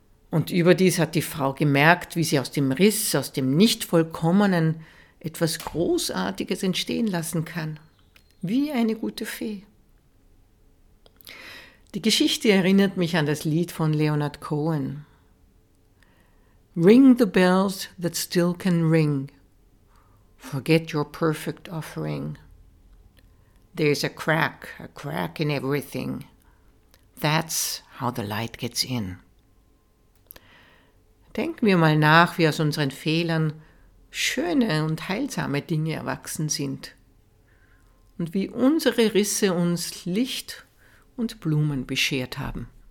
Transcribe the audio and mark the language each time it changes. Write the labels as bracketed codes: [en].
[de] Und überdies hat die Frau gemerkt, wie sie aus dem Riss, aus dem Nichtvollkommenen, etwas Großartiges entstehen lassen kann, wie eine gute Fee. Die Geschichte erinnert mich an das Lied von Leonard Cohen. [en] Ring the bells that still can ring. Forget your perfect offering. There's a crack in everything. That's how the light gets in. [de] Denken wir mal nach, wie aus unseren Fehlern schöne und heilsame Dinge erwachsen sind und wie unsere Risse uns Licht und Blumen beschert haben.